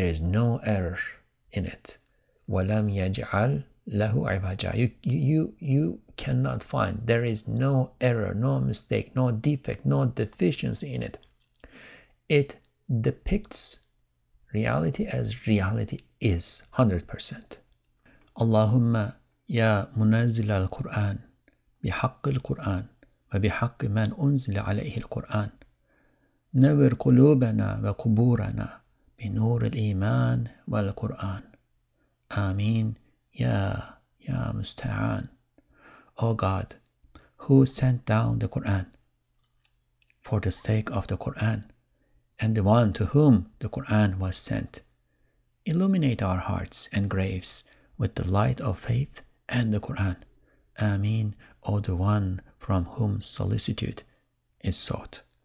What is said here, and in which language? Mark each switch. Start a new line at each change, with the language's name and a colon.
English: There is no error in it.
Arabic: وَلَمْ يَجْعَلْ لَهُ عِبَاجَ.
English: You cannot find, there is no error, no mistake, no defect, no deficiency in it. It depicts reality as reality is. 100%.
Arabic: اللهم يا منزل القرآن بحق القرآن وبحق من أنزل عليه القرآن نور قلوبنا وقبورنا بنور الإيمان والقرآن آمين يا مستعان.
English: O God, who sent down the Quran for the sake of the Quran and the one to whom the Quran was sent, illuminate our hearts and graves with the light of faith and the Quran. Amin, O the one from whom solicitude is sought.